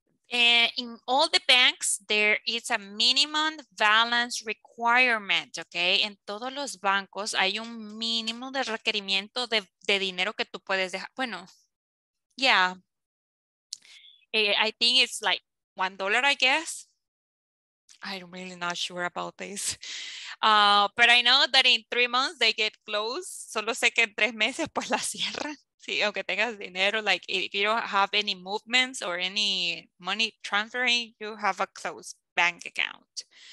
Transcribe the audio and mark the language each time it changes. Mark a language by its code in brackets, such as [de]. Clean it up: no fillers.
[en] In all the banks, there is a minimum balance requirement, okay? [es] En todos los bancos hay un mínimo de requerimiento de dinero que tú puedes dejar. [en] Bueno, yeah. I think it's like $1, I guess. I'm really not sure about this. But I know that in 3 months they get closed. [es] Solo sé que en 3 meses pues la cierran. Sí, aunque tengas dinero, [en] like if you don't have any movements or any money transferring, you have a closed bank account.